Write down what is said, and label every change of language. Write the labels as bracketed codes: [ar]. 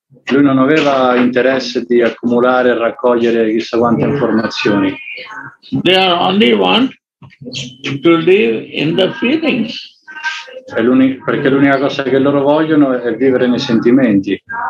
[it] Lui non aveva interesse di accumulare e raccogliere chissà quante informazioni. [en] They are only want to live in the feelings. [it] Perché l'unica cosa che loro vogliono è vivere nei sentimenti.